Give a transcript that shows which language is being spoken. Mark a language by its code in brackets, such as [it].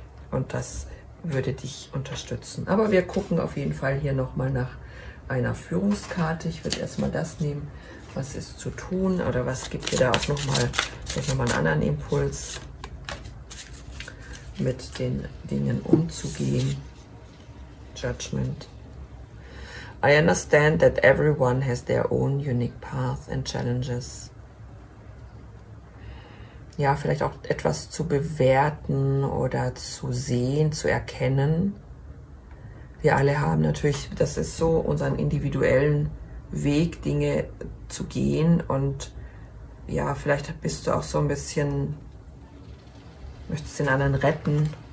[de] Und das würde dich unterstützen. Aber wir gucken auf jeden Fall hier nochmal nach einer Führungskarte. Ich würde erstmal das nehmen, was ist zu tun oder was gibt dir da auch nochmal einen anderen Impuls, mit den Dingen umzugehen. [en] Judgment. I understand that everyone has their own unique path and challenges. [de] Ja, vielleicht auch etwas zu bewerten oder zu sehen, zu erkennen. Wir alle haben natürlich, das ist so, unseren individuellen Weg, Dinge zu gehen. Und ja, vielleicht bist du auch so ein bisschen, möchtest den anderen retten.